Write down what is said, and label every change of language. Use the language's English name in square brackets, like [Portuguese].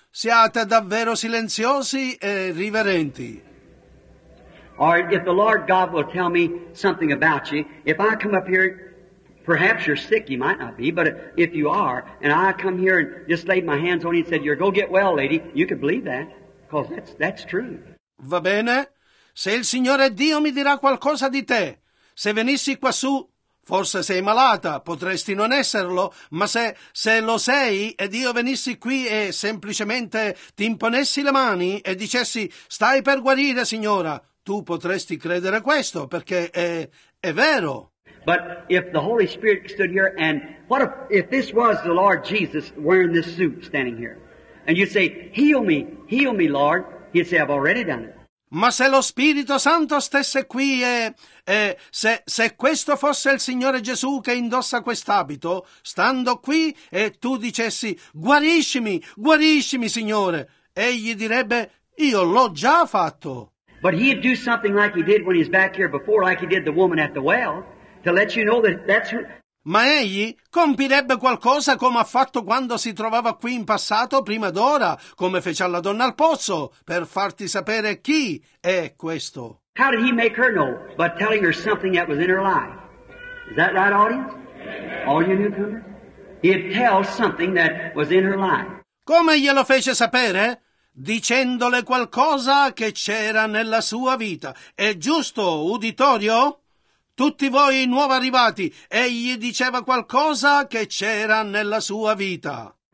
[Italian] Siate davvero silenziosi e riverenti. [English] Or if the Lord God will tell me something about you, if I come up here, perhaps you're sick, you might not be, but if you are, and I come here and just laid my hands on you and said, you're go get well, lady, you could believe that, because that's true. [Italian] Va bene? [English] Se il Signore Dio mi dirà qualcosa di te, se venissi quassù, forse sei malata, potresti non esserlo, ma se lo sei ed io venissi qui e semplicemente ti imponessi le mani e dicessi, stai per guarire, signora, tu potresti credere questo, perché è vero. But if the Holy Spirit stood here and what if this was the Lord Jesus wearing this suit standing here and you say heal me Lord he'd say I've already done it. [Italian] Ma se lo Spirito Santo stesse qui e se questo fosse il Signore Gesù che indossa quest'abito stando qui e tu dicessi guariscimi Signore egli direbbe io l'ho già fatto. [English] But he'd do something like he did when he's back here before like he did the woman at the well. To let you know that that's who... [Italian] Ma egli compirebbe qualcosa come ha fatto quando si trovava qui in passato prima d'ora, come fece alla donna al pozzo, per farti sapere chi è questo. [English] How did he make her know? By telling her something that was in her life. Is that right, audience? All you newcomers? He'd tell something that was in her life. [Italian] Come glielo fece sapere? Dicendole qualcosa che c'era nella sua vita. È giusto, uditorio? Tutti voi nuovi arrivati, egli diceva qualcosa che c'era nella sua vita.